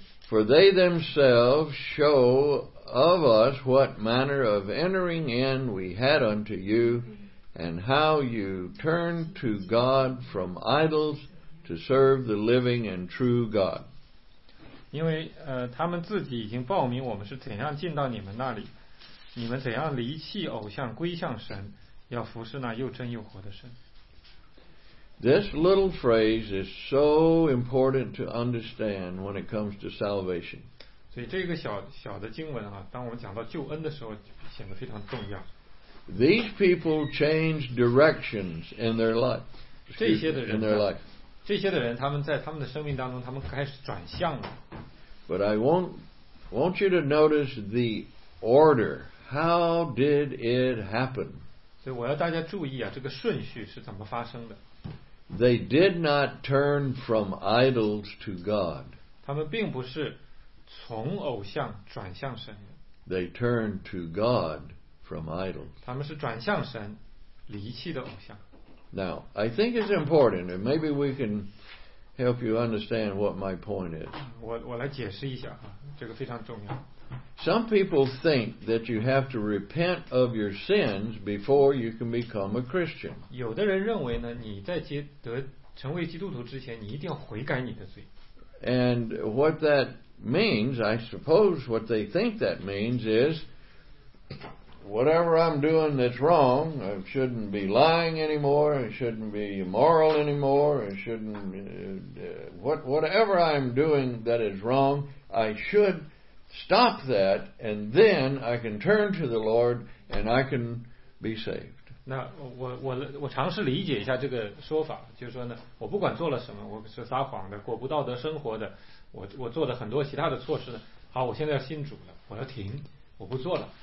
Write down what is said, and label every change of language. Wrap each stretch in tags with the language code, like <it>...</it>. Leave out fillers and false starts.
<en>For they themselves show of us what manner of entering in we had unto you, and how you turned to God from idols to serve the living and true God.</en> <zh>因为他们自己已经报名我们是怎样进到你们那里，你们怎样离弃偶像归向神，要服侍那又真又活的神。</zh> <en>This little phrase is so important to understand when it comes to salvation.</en> <zh>所以这个小的经文啊，当我们讲到救恩的时候，显得非常重要。</zh> <en>These people change directions in their life.</en> <zh>这些的人呢,</zh> <en>in their life.</en> <zh>这些的人, 他们在他们的生命当中, 他们开始转向了。</zh> <en>But I want you to notice the order. How did it happen?</en> <zh>所以我要大家注意啊, 这个顺序是怎么发生的。</zh> <en>They did not turn from idols to God.</en> <zh>他们并不是从偶像转向神。</zh> <en>They turned to God from idols.</en> <zh>他们是转向神, 离弃的偶像。</zh> <en>Now, I think it's important, and maybe we can help you understand what my point is.</en> <zh>我来解释一下，这个非常重要。</zh> <en>Some people think that you have to repent of your sins before you can become a Christian.</en> <zh>有的人认为呢, 你在成为基督徒之前, 你一定要悔改你的罪。</zh> <en>And what that means, I suppose what they think that means is, whatever I'm doing that's wrong, I shouldn't be lying anymore, I shouldn't be immoral anymore, I shouldn't, whatever I'm doing that is wrong, I should stop that, and then I can turn to the Lord and I can be saved.</en> <zh>那我尝试理解一下这个说法, 就是说呢, 我不管做了什么, 我是撒谎的, 过不道德生活的, 我做的很多其他的措施呢, 好, 我现在要信主了, 我要停, 我不做了。</zh>